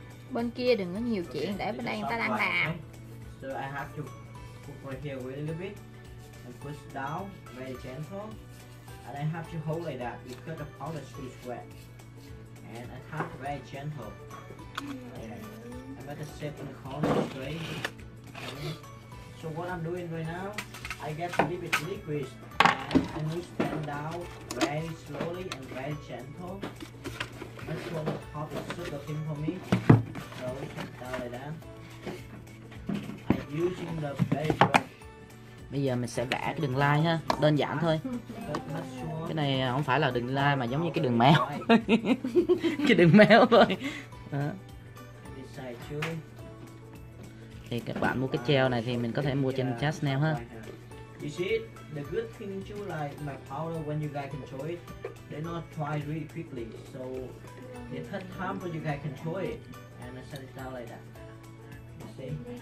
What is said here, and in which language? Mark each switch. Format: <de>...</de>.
<vi>Bên kia đừng có nhiều chuyện, để bên đây người ta đang làm.</vi> <en>So I have to put right here a little bit and push down very gentle, and I have to hold like that because the powder is too wet, and I have to very gentle. Yeah. I'm at the second corner straight. So what I'm doing right now, I get a little bit liquid and I move them down very slowly and very gentle. That's what the top is super thin for me. So down like that. I'm using the very strong.</en> <vi>Bây giờ mình sẽ vẽ cái đường line ha, đơn giản thôi. Cái này không phải là đường line mà giống như cái đường méo. Cái đường méo thôi. Đó. Thì các bạn mua cái gel này thì mình có thể mua trên Chanel ha.</vi> <en>You see it? The good thing too, like my powder, when you guys control it, they not dry really quickly. So it takes time for you guys control it. And I set it down like that. You see?</en>